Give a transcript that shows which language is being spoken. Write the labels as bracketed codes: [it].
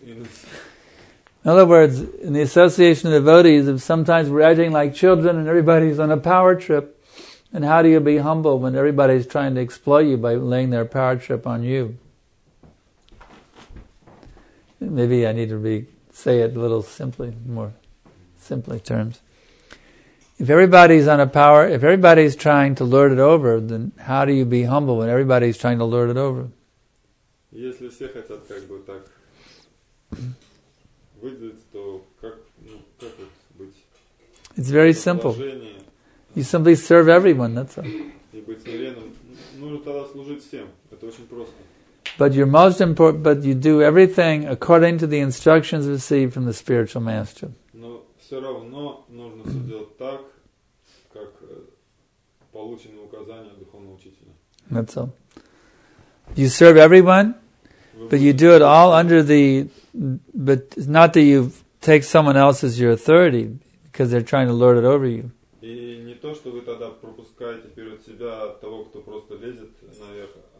[en] in other words, in the association of devotees, if sometimes we're acting like children and everybody's on a power trip, then how do you be humble when everybody's trying to exploit you by laying their power trip on you? Maybe I need to say it a little simply, more simply terms. If everybody's trying to lord it over, then how do you be humble when everybody's trying to lord it over? [ru] Если все хотят как бы так выделиться, то как, ну, как вот быть? [en] It's very simple. You simply serve everyone, that's all. [ru] И быть смиренным. Нужно тогда служить всем. Это очень просто. [en] But you're most important, but you do everything according to the instructions received from the spiritual master. [ru] Но все равно нужно все делать так, как получены указания духовного учителя. [en] That's all. You serve everyone, but you do it all under the. But it's not that you take someone else as your authority because they're trying to lord it over you. [ru] И не то, что вы тогда пропускаете перед себя того, кто просто лезет наверх.